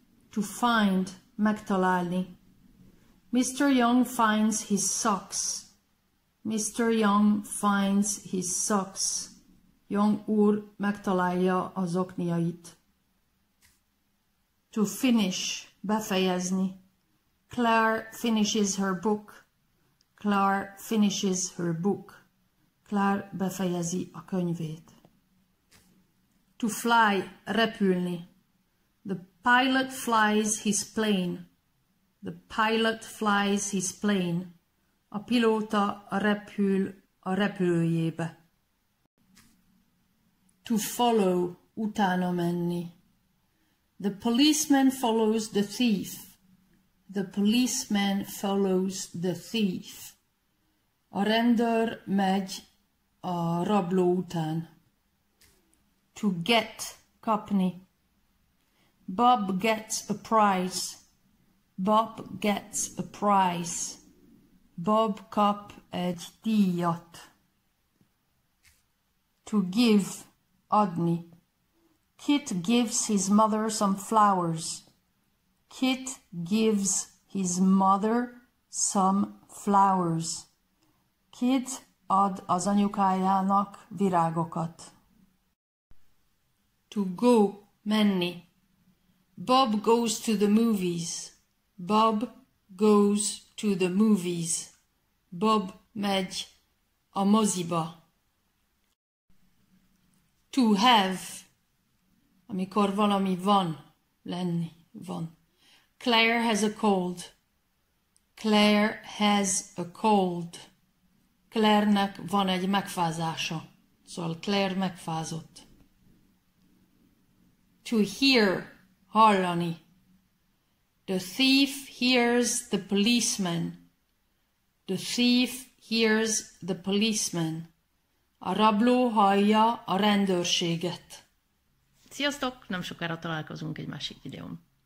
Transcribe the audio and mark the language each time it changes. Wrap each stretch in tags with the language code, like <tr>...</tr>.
<en>To find,</en> <hu>megtalálni.</hu> <en>Mr. Young finds his socks. Mr. Young finds his socks.</en> <hu>Young úr megtalálja az okniait.</hu> <en>To finish,</en> <hu>befejezni.</hu> <en>Claire finishes her book. Claire finishes her book.</en> <hu>Claire befejezi a könyvét.</hu> <en>To fly,</en> <hu>repülni.</hu> <en>The pilot flies his plane. The pilot flies his plane.</en> <hu>A pilóta repül a repülőjébe.</hu> <en>To follow,</en> <hu>utána menni.</hu> <en>The policeman follows the thief. The policeman follows the thief.</en> <hu>A rendőr megy a rabló után.</hu> <en>To get,</en> <hu>kapni.</hu> <en>Bob gets a prize. Bob gets a prize.</en> <hu>Bob kap egy díjat.</hu> <en>To give,</en> <hu>adni.</hu> <en>Kit gives his mother some flowers. Kit gives his mother some flowers.</en> <hu>Kit ad az anyukájának virágokat.</hu> <en>To go,</en> <hu>menni.</hu> <en>Bob goes to the movies. Bob goes to the movies.</en> <hu>Bob megy a moziba.</hu> <en>To have,</en> <hu>amikor valami van, lenni, van.</hu> <en>Claire has a cold. Claire has a cold.</en> <hu>Claire-nek van egy megfázása. Szóval Claire megfázott.</hu> <en>To hear,</en> <hu>hallani.</hu> <en>The thief hears the policeman. The thief hears the policeman.</en> <hu>A rabló hallja a rendőrséget. Sziasztok! Nem sokára találkozunk egy másik videón.</hu>